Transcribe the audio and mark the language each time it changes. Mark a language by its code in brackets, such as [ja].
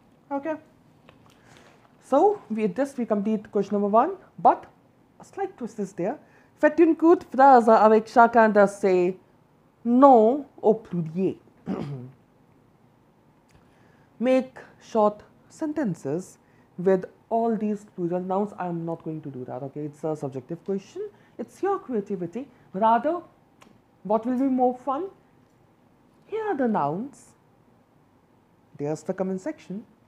[en] Okay, so with this we complete question number one, but a slight twist is there. [fr] Faites une courte phrase avec chacun de ces noms au pluriel. [en] Make short sentences with all these plural nouns. I am not going to do that, okay? It's a subjective question. It's your creativity. Rather, what will be more fun? Here are the nouns. There's the comment section.